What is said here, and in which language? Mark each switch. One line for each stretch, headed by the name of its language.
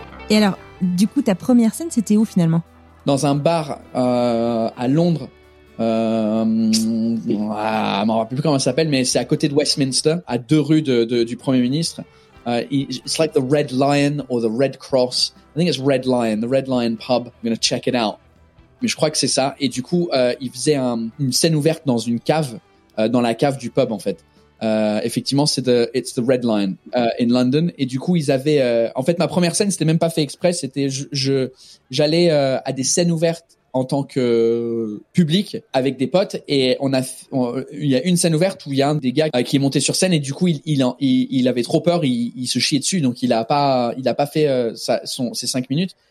French: Et alors, du coup, ta première scène, c'était où finalement ? Dans un bar à Londres. Je m'en rappelle plus comment ça s'appelle, mais c'est à côté de Westminster, à 2 rues du Premier ministre.
English: It's like the Red Lion or the Red Cross. I think it's Red Lion, the Red Lion Pub. I'm going to check it out.
French: Mais je crois que c'est ça. Et du coup, il faisait une scène ouverte dans une cave, dans la cave du pub en fait.
English: Effectivement, it's the Red Lion in London.
French: Et du coup, ils avaient. En fait, ma première scène, c'était même pas fait exprès. C'était j'allais à des scènes ouvertes en tant que public avec des potes et il y a une scène ouverte où il y a un des gars qui est monté sur scène et du coup il avait trop peur, il se chiait dessus, donc il a pas fait ses 5 minutes.